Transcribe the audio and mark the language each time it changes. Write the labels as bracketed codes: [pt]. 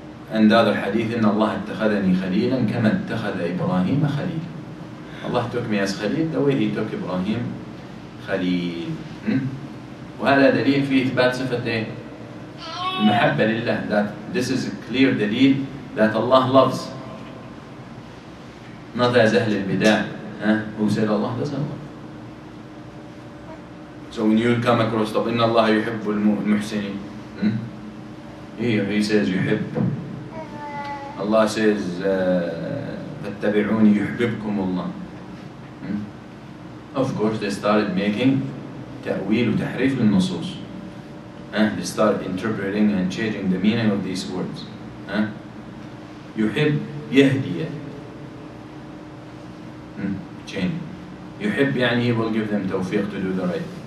[en] And the other hadith, [ar] إن الله اتخذني خليلا كما اتخذ إبراهيم خليلا. [en] Allah took me as Khalil the way he took Ibrahim Khalil. [ar] وهذا دليل في إثبات صفة المحبة لله. [en] That this is a clear دليل that Allah loves. Not as [ar] أهل البدع. [en] Who said Allah doesn't love? So when you come across the [ar] إن الله يحب المحسنين. [en] He says يحب. Allah says [ar] فاتبعوني يحببكم الله. [en] Of course, they started making ta'wil and tahrif in nusus. They started interpreting and changing the meaning of these words. Yuhib yahdiya. Change. Yuhib يعني he will give them tawfiq to do the right.